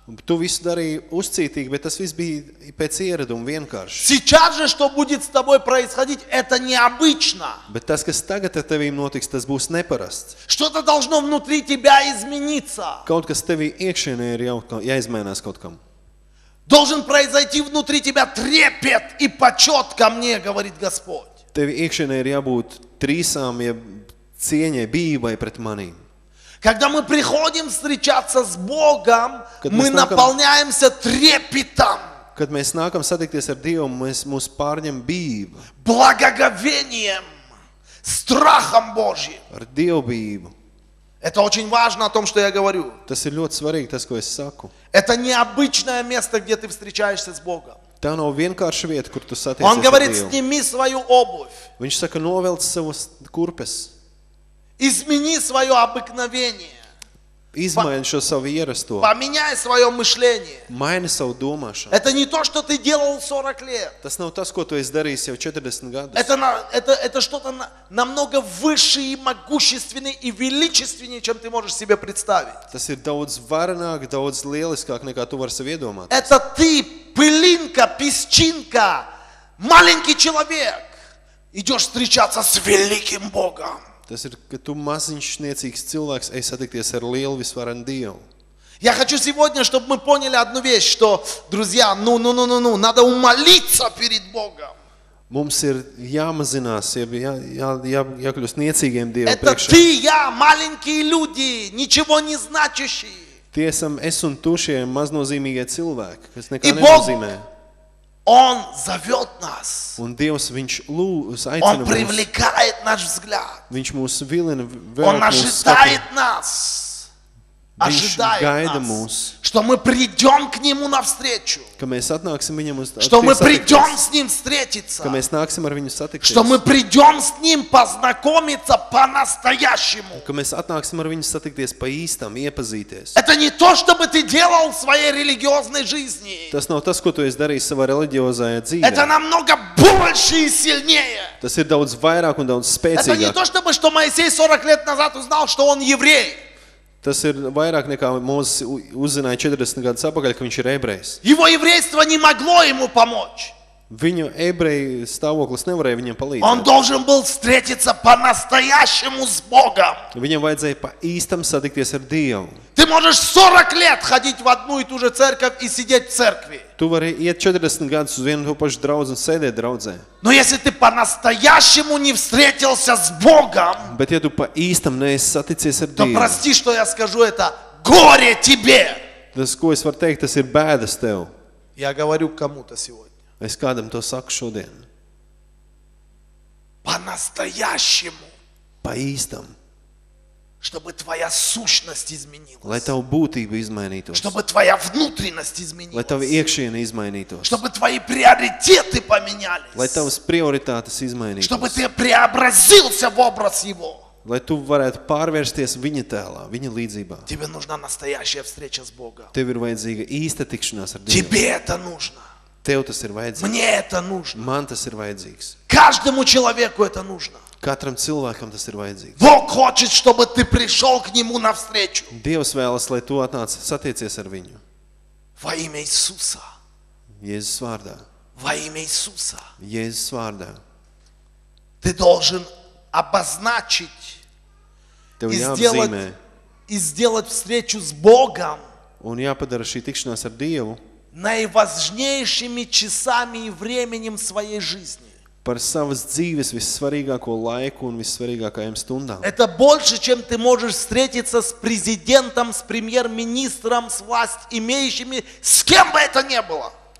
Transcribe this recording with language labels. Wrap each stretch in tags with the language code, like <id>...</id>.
<lv>Tu visu darīji uzcītīgi, bet tas viss bija pēc ieraduma vienkārši.</lv> <ru>Сейчас же, что будет с тобой происходить, это необычно.</ru> <lv>Bet tas, kas tagad ar tevīm notiks, tas būs neparasts.</lv> <ru>Что-то должно внутри тебя измениться.</ru> <lv>Kaut kas tevī iekšēnē ir jāizmainās kaut kam.</lv> <ru>Должен произойти внутри тебя трепет и почёт ко мне, говорит Господь.</ru> <lv>Tevī iekšēnē ir jābūt trīsām, ja cieņai, bībai pret mani.</lv> <ru>Когда мы приходим встречаться с Богом, мы наполняемся трепетом.</ru> <lv>Kad mēs nākam satikties ar Dievu, mūs pārņem bība.</lv> <ru>Благоговением, страхом Божьим.</ru> <lv>Ar Dievbību.</lv> <ru>Это очень важно о том, что я говорю.</ru> <lv>Tas ir ļoti svarīgi, tas, ko es saku.</lv> <ru>Это необычное место, где ты встречаешься с Богом.</ru> <lv>Tā nav vienkārša vieta, kur tu satiekies</lv> <ru>Он говорит, сними свою обувь.</ru> <lv>Viņš saka, novelc savas kurpes.</lv> <ru>Измени свое обыкновение.</ru> <lv>Izmaini šo savu ierasto.</lv> <ru>Поменяй своё мышление.</ru> <lv>Maini savu domāšanu.</lv> <ru>Это не то, что ты делал 40 лет.</ru> <lv>Tas nav tas, ko tu esi darījis jau 40 gadus.</lv> <ru>Это что-то намного выше и могущественнее и величественнее, чем ты можешь себе представить.</ru> <lv>Tas ir daudz varenāk, daudz lieliskāk, nekā tu vari sev iedomāties.</lv> <ru>Это ты, пылинка, песчинка, маленький человек, идёшь встречаться с великим Богом.</ru> <lv>Tas ir, ka tu maziņš, niecīgs cilvēks, ej satikties ar lielu visvarenu Dievu.</lv> <ru>Я хочу сегодня, чтобы мы поняли одну вещь, что, друзья, ну, надо умолиться перед Богом.</ru> <lv>Mums ir jāmazinās, jākļūst niecīgiem Dievu priekšā.</lv> <ru>Это ты, я, маленькие люди, ничего не значащие.</ru> <lv>Tie esam es un tu šie maznozīmīgie cilvēki, kas nekā nenozīmē.</lv> <ru>Он зовёт нас.</ru> <lv>Un Dievs viņš lūs, aicina mūs.</lv> <ru>Он привлекает наш взгляд.</ru> <lv>Viņš mūs vilina vēl mūs skatīt.</lv> <ru>Он ожидает нас. Ожидает нас. Что мы придём к нему навстречу.</ru> <lv>Ka mēs atnāksim viņam uz satikties.</lv> <ru>Что мы придём с ним встретиться.</ru> <lv>Ka mēs nāksim ar viņu satikties.</lv> <ru>Что мы придём с ним познакомиться по-настоящему.</ru> <lv>Ka mēs atnāksim ar viņu satikties pa īstam, iepazīties.</lv> <ru>Это не то, чтобы ты делал в своей религиозной жизни.</ru> <lv>Tas nav tas, ko tu esi darījis savā reliģiozajā dzīvē.</lv> <ru>Это намного больше и сильнее.</ru> <lv>Tas ir daudz vairāk un daudz spēcīgāk.</lv> <ru>Это не то, чтобы что Моисей 40 лет назад узнал, что он еврей.</ru> <lv>Tas ir vairāk nekā Mozes uzzināja 40 gadus atpakaļ, ka viņš ir ebrejs.</lv> <ru>Его еврейство не могло ему помочь.</ru> <lv>Viņu ebreju stāvoklis nevarēja viņam palīdzēt.</lv> <ru>Он должен был встретиться по-настоящему с Богом.</ru> <lv>Viņam vajadzēja pa īstam satikties ar Dievu.</lv> <ru>Ты можешь 40 лет ходить в одну и ту же церковь и сидеть в церкви.</ru> <lv>Tu vari iet 40 gadus uz vienu to pašu draudzi un sēdēt draudzē.</lv> <ru>Но если ты по-настоящему не встретился с Богом,</ru> <lv>bet ja tu pa īstam neesi saticies ar Dievu,</lv> <ru>то прости, что я скажу это, горе тебе.</ru> <lv>Tas, ko es varu teikt, tas ir bēdas tev.</lv> <ru>Я говорю кому-то сегодня.</ru> <lv>Es kādam to saku šodien.</lv> <ru>По-настоящему.</ru> <lv>Pa īstam.</lv> <ru>Чтобы твоя сущность изменилась.</ru> <lv>Lai tava būtība izmainītos.</lv> <ru>Чтобы твоя внутренность изменилась.</ru> <lv>Lai tava iekšiene izmainītos.</lv> <ru>Чтобы твои приоритеты поменялись.</ru> <lv>Lai tavas prioritātes izmainītos.</lv> <ru>Чтобы ты преобразился в образ его.</ru> <lv>Lai tu varētu pārvērsties viņa tēlā, viņa līdzībā.</lv> <ru>Тебе нужна настоящая встреча с Богом.</ru> <lv>Tev ir vajadzīga īsta tikšanās ar Dievu.</lv> <ru>Тебе это нужно.</ru> <lv>Tev tas ir vajadzīgs.</lv> <ru>Мне это нужно.</ru> <lv>Man tas ir vajadzīgs.</lv> <ru>Каждому человеку это нужно.</ru> <lv>Katram cilvēkam tas ir vajadzīgs.</lv> <ru>Бог хочет, чтобы ты пришёл к нему навстречу.</ru> <lv>Dievs vēlas, lai tu atnāc satiecies ar viņu.</lv> <ru>Во имя Иисуса.</ru> <lv>Jēzus vārdā.</lv> <ru>Во имя Иисуса.</ru> <lv>Jēzus vārdā.</lv> <ru>Ты должен обозначить</ru> <lv>Tev jāapzīmē.</lv> <ru>И сделать встречу с Богом.</ru> <lv>Un jāpadara šī tikšanās ar Dievu</lv> <ru>наиважнейшими часами и временем своей жизни.</ru> <lv>Par savas dzīves vissvarīgāko laiku un vissvarīgākajām stundām.</lv> <ru>Это больше, чем ты можешь встретиться с президентом, с премьер-министром, с власть имеющими, с кем бы это ни было.</ru>